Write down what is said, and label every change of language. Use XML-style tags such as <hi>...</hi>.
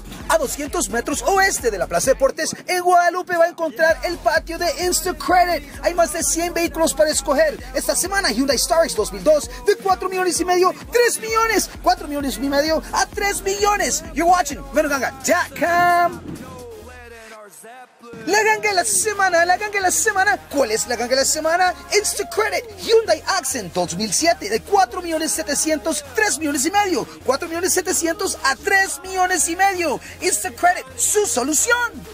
<es>A 200 metros oeste de la Plaza de Deportes, en Guadalupe va a encontrar el patio de Instacredit. Hay más de 100 vehículos para escoger. Esta semana, Hyundai Starix 2002, de 4 millones y medio, 3 millones. 4 millones y medio a 3 millones.</es> <en>You're watching Venoganga.com.</en> <es>La ganga de la semana, la ganga de la semana. ¿Cuál es la ganga de la semana? Instacredit Hyundai Accent 2007 de 4.700.000, 3 millones y medio. 4.700.000 a 3 millones y medio. Instacredit, su solución.</es>